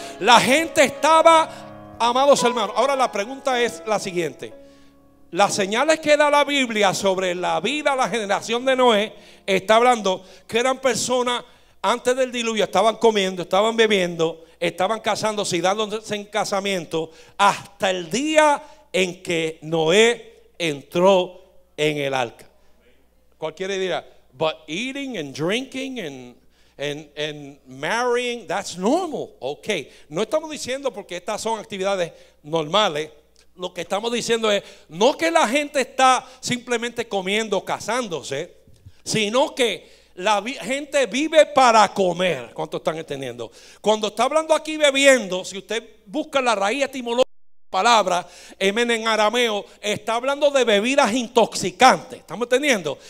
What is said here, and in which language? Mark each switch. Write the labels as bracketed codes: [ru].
[es] La gente estaba, amados hermanos. Ahora la pregunta es la siguiente: las señales que da la Biblia sobre la vida, la generación de Noé, está hablando que eran personas antes del diluvio, estaban comiendo, estaban bebiendo, estaban casándose y dándose en casamiento hasta el día en que Noé entró en el arca. Cualquiera dirá, [en] but eating and drinking and marrying, that's normal. [es] Ok, no estamos diciendo, porque estas son actividades normales. Lo que estamos diciendo es, no que la gente está simplemente comiendo, casándose, sino que la gente vive para comer. ¿Cuántos están entendiendo? Cuando está hablando aquí bebiendo, si usted busca la raíz etimológica de la palabra, amén, en arameo, está hablando de bebidas intoxicantes. ¿Estamos entendiendo?